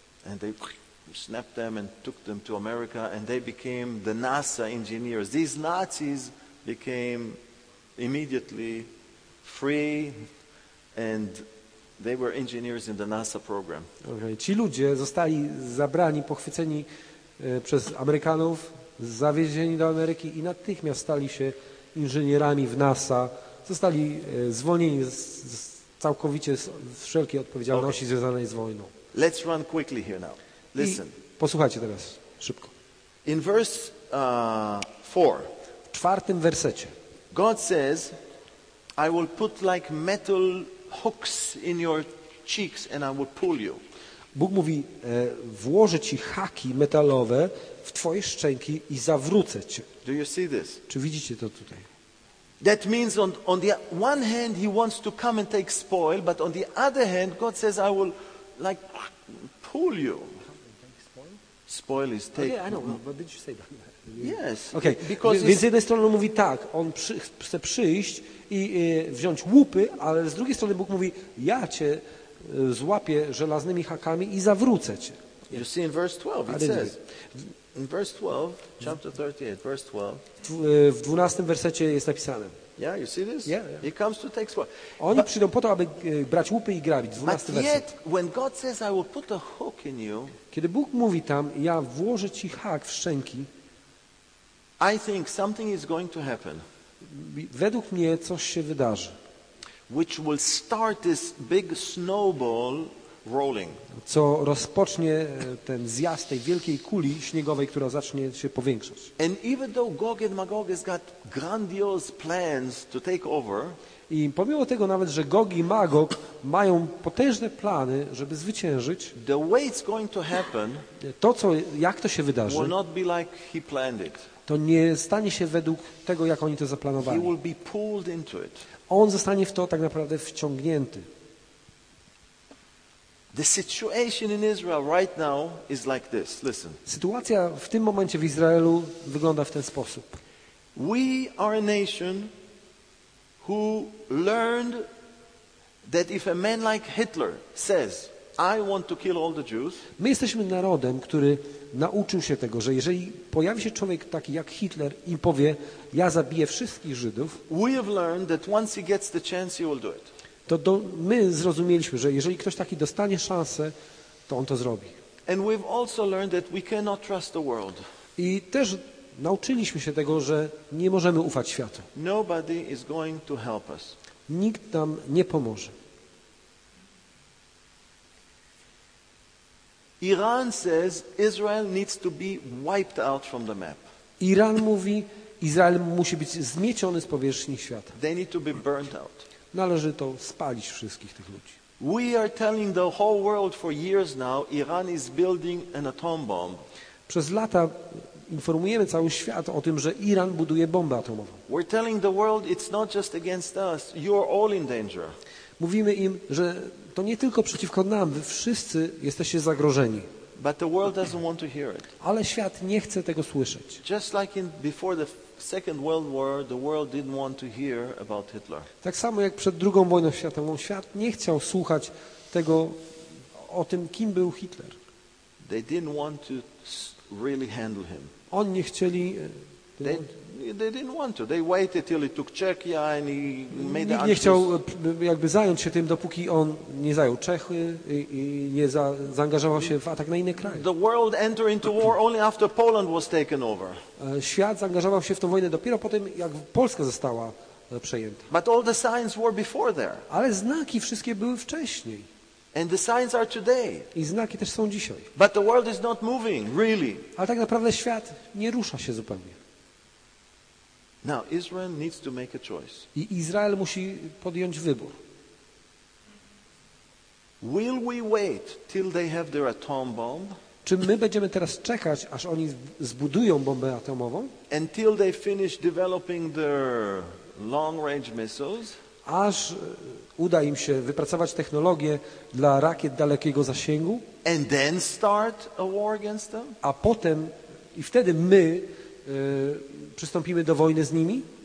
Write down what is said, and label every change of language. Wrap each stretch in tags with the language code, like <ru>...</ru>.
<en>And they snapped them and took them to America and they became the NASA engineers. These Nazis became immediately free and they were engineers in the NASA program. Okay.</en> <pl>Ci ludzie zostali zabrani, pochwyceni przez Amerykanów, zawiezieni do Ameryki i natychmiast stali się inżynierami w NASA. Zostali zwolnieni całkowicie z wszelkiej odpowiedzialności okay. związanej z wojną.</pl> <en>Let's run quickly here now. Listen.</en> <pl>Posłuchajcie teraz szybko.</pl> <en>In verse 4.</en> <pl>W czwartym wersecie.</pl> <en>God says, I will put like metal hooks in your cheeks and I will pull you.</en> <pl>Bóg mówi, włożę ci haki metalowe w twoje szczęki i zawrócę cię.</pl> <en>Do you see this?</en> <pl>Czy widzicie to tutaj?</pl> <en>That means on the one hand he wants to come and take spoil, but on the other hand God says I will like pull you. Spoil is take. Okay, I know, but did you say that? Yes. Okay.</en> <pl>Because więc z jednej strony on mówi tak, on chce przyjść i wziąć łupy, ale z drugiej strony Bóg mówi, ja cię złapię żelaznymi hakami i zawrócę cię.</pl> <en>You see in verse 12 it says. In verse 12, chapter 38, verse 12.</en> <pl>W 12 wersecie jest napisane.</pl> <en>Yeah, you see this? Yeah, yeah. He comes to take spoil.</en> <pl>Oni przyjdą po to, aby brać łupy i grabić. 12 werset.</pl> <en>Yet, when God says, I will put a hook in you.</en> <pl>Kiedy Bóg mówi tam, ja włożę ci hak w szczęki.</pl> <en>I think something is going to happen.</en> <pl>Według mnie coś się wydarzy.</pl> <en>Which will start this big snowball rolling.</en> <pl>Co rozpocznie ten zjazd tej wielkiej kuli śniegowej, która zacznie się powiększać.</pl> <en>And even though Gog and Magog has got grandiose plans to take over.</en> <pl>I pomimo tego nawet, że Gog i Magog mają potężne plany, żeby zwyciężyć,</pl> <en>the way it's going to happen,</en> <pl>to co, jak to się wydarzy,</pl> <en>will not be like he planned it.</en> <pl>To nie stanie się według tego, jak oni to zaplanowali.</pl> <en>He will be pulled into it.</en> <pl>On zostanie w to tak naprawdę wciągnięty.</pl> <en>The situation in Israel right now is like this. Listen.</en> <pl>Sytuacja w tym momencie w Izraelu wygląda w ten sposób.</pl> <en>We are a nation who learned that if a man like Hitler says, I want to kill all the Jews.</en> <pl>My jesteśmy narodem, który nauczył się tego, że jeżeli pojawi się człowiek taki jak Hitler i powie, ja zabiję wszystkich Żydów,</pl> <en>we have learned that once he gets the chance, he will do it.</en> <pl>To my zrozumieliśmy, że jeżeli ktoś taki dostanie szansę, to on to zrobi.</pl> <en>And we've also learned that we cannot trust the world.</en> <pl>I też nauczyliśmy się tego, że nie możemy ufać światu.</pl> <en>Nobody is going to help us.</en> <pl>Nikt nam nie pomoże.</pl> <en>Iran says Israel needs to be wiped out from the map.</en> <pl>Iran mówi, Izrael musi być zmieciony z powierzchni świata.</pl> <en>They need to be burnt out.</en> <pl>Należy to spalić wszystkich tych ludzi.</pl> <en>We are telling the whole world for years now Iran is building an atom bomb.</en> <pl>Przez lata informujemy cały świat o tym, że Iran buduje bombę atomową.</pl> <en>We're telling the world it's not just against us, you're all in danger.</en> <pl>Mówimy im, że to nie tylko przeciwko nam, wy wszyscy jesteście zagrożeni.</pl> <en>But the world doesn't want to hear it.</en> <pl>Ale świat nie chce tego słyszeć.</pl> <en>Just like in before the Second World War, the world didn't want to hear about Hitler.</en> <pl>Tak samo jak przed II wojną światową, świat nie chciał słuchać tego o tym, kim był Hitler.</pl> <en>They didn't want to really handle him.</en> <pl>Oni nie chcieli.</pl> <en>They didn't want to. They waited till he took Czechia and he made the.</en> <pl>Nikt nie chciał jakby zająć się tym, dopóki on nie zajął Czechy i nie zaangażował się w atak na inne kraje.</pl> <en>The world entered into war only after Poland was taken over.</en> <pl>Świat zaangażował się w tę wojnę dopiero po tym, jak Polska została przejęta.</pl> <en>But all the signs were before there.</en> <pl>Ale znaki wszystkie były wcześniej.</pl> <en>And the signs are today.</en> <pl>I znaki też są dzisiaj.</pl> <en>But the world is not moving, really.</en> <pl>Ale tak naprawdę świat nie rusza się zupełnie.</pl> <en>Now Israel needs to make a choice.</en> <pl>I Izrael musi podjąć wybór.</pl> <en>Will we wait till they have their atom bomb?</en> <pl>Czy my będziemy teraz czekać, aż oni zbudują bombę atomową?</pl> <en>Until they finish developing their long-range missiles?</en> <pl>Aż uda im się wypracować technologię dla rakiet dalekiego zasięgu?</pl> <en>And then start a war against them?</en> <pl>A potem i wtedy my przystąpimy do wojny z nimi?</pl>